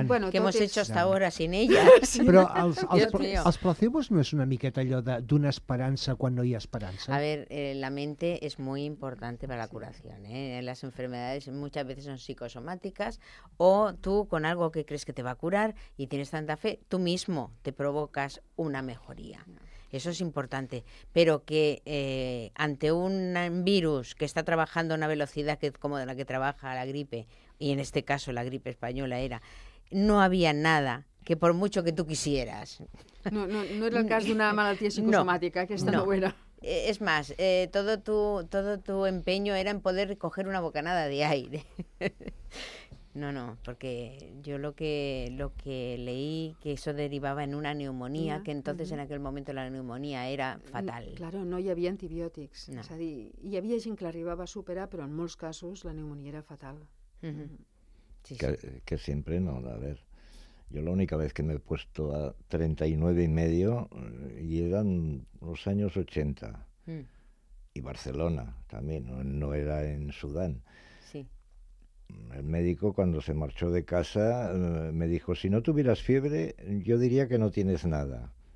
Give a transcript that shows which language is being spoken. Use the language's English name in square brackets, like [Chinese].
[Spanish] Que hemos hecho hasta ahora sin ella. [Catalan] Però els placebos no és una miqueta allò d'una esperança quan no hi ha esperança? [Spanish] A ver, la mente es muy importante para la curación. Las enfermedades muchas veces son psicosomáticas, o tú con algo que crees que te va a curar y tienes tanta fe, tú mismo te provocas una mejoría. Eso es importante. Pero que ante un virus que está trabajando a una velocidad como de la que trabaja la gripe, y en este caso la gripe española era, no había nada que por mucho que tú quisieras. No era el caso de una malaltia psicosomática, que esta no era. Es más, todo tu empeño era en poder coger una bocanada de aire. No, no, porque yo lo que leí, que eso derivaba en una neumonía, que entonces en aquel momento la neumonía era fatal. [Catalan] Claro, no hi havia antibiòtics. No. És a dir, hi havia gent que l'arribava a superar, però en molts casos la neumonia era fatal. Sí, sí. Que sempre no, a veure. [Spanish] Yo la única vez que me he puesto a 39.5 y eran los años 80. Y Barcelona también, no era en Sudán. Sí. El médico cuando se marchó de casa me dijo, si no tuvieras fiebre, yo diría que no tienes nada.